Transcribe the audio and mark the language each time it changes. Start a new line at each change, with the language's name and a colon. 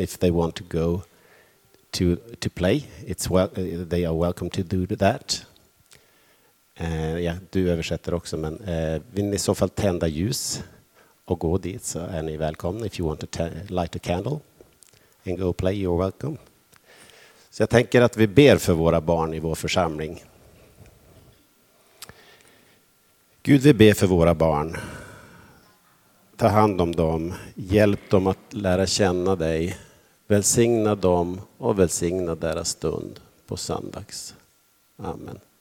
English: If they want to go to play, they are welcome to do that.
Swedish: Ja, du översätter också, men vill ni i så fall tända ljus och gå dit så är ni välkomna.
English: If you want to light a candle and go play, you're welcome.
Swedish: Så jag tänker att vi ber för våra barn i vår församling. Gud, vi ber för våra barn. Ta hand om dem. Hjälp dem att lära känna dig. Välsigna dem och välsigna deras stund på söndags. Amen.